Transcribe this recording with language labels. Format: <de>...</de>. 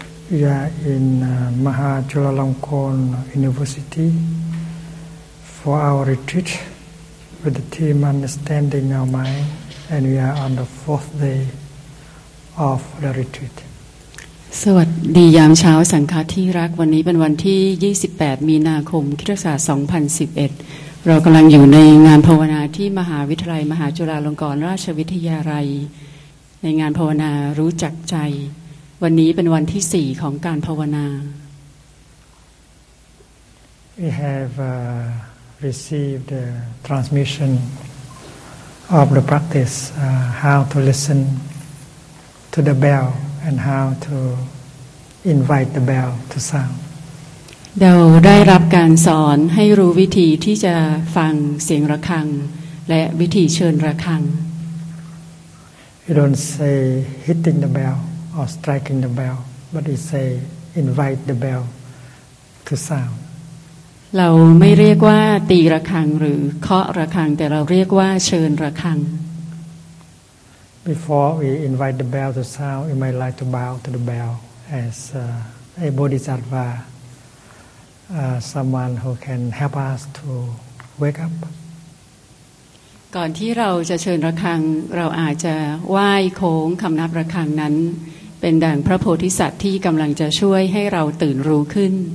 <en>We are in Mahajolalongkorn University for our retreat with the theme Understanding Our Mind, and we are on the fourth day of the retreat.</en> <th>สวัสดียามเช้าสังฆาที่รักวันนี้เป็นวันที่28มีนาคมคริสตศักราช2011เรากำลังอยู่ในงานภาวนาที่มหาวิทยาลัยมหาจุฬาลงกรณราชวิทยาลัยในงานภาวนารู้จักใจวันนี้เป็นวันที่4ของการภาวนา</th> <en>We have received the transmission of the practice how to listen to the belland how to invite the bell to sound.</en> <th>เราได้รับการสอนให้รู้วิธีที่จะฟังเสียงระฆังและวิธีเชิญระฆัง</th> <en>You don't say hitting the bell or striking the bell, but you say invite the bell to sound.</en> <th>เราไม่เรียกว่าตีระฆังหรือเคาะระฆังแต่เราเรียกว่าเชิญระฆัง</th> <en>Before we invite the bell to sound, we might like to bow to the bell as a bodhisattva, someone who can help us to wake up.</en> <th>ก่อนที่เราจะเชิญระฆังเราอาจจะไหว้โค้งคำนับระฆังนั้นเป็นดั่งพระโพธิสัตว์ที่กำลังจะช่วยให้เราตื่นรู้ขึ้น</th>